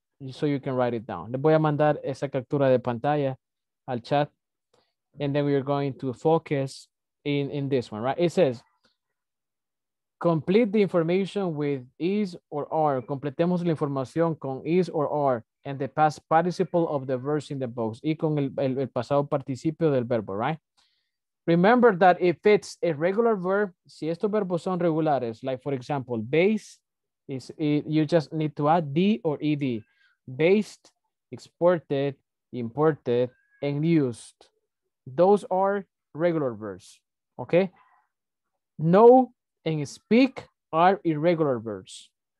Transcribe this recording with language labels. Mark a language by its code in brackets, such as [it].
[en] So you can write it down. [es] Le voy a mandar esa captura de pantalla al chat. [en] And then we are going to focus in this one, right? It says, complete the information with is or are. [es] Completemos la información con [en] is or are. And the past participle of the verb in the box. [es] Y con el pasado participio del verbo, right? [en] Remember that if it's a regular verb, [es] si estos verbos son regulares, [en] like for example, base, is it, you just need to add D or ED. Based, exported, imported, and used. Those are regular verbs, okay? Know and speak are irregular verbs.